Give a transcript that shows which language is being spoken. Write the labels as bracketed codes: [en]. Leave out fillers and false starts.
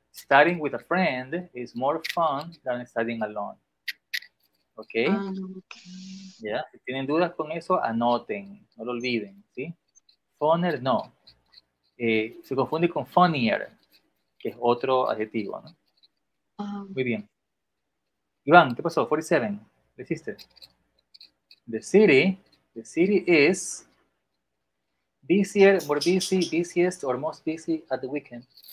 [en] Studying with a friend is more fun than studying alone. [es] ¿Ok? ¿Ya? Si tienen dudas con eso, anoten, no lo olviden, ¿sí? Funner, no. Se confunde con funnier, que es otro adjetivo, ¿no? Muy bien. Iván, ¿qué pasó? 47. ¿Deciste? [en] The city is busier, more busy, busiest, or most busy at the weekend.